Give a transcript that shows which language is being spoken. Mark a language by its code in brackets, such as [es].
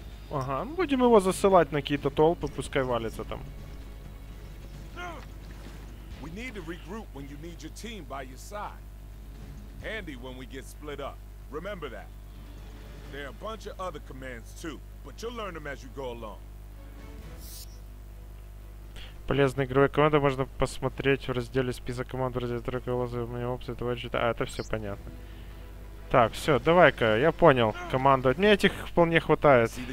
[ru] Ага, ну будем его засылать на какие-то толпы, пускай валится там. [en] We need to regroup when you need your team by your side. Handy when we get split up. Remember that. There are a bunch of other commands too, but you'll learn them as you go along. [ru] Полезные игровые команды можно посмотреть в разделе список команд в разделе трекалозы у меня опции товарищи. А, это все понятно. Так, все, давай-ка, я понял. Командовать. Мне этих вполне хватает.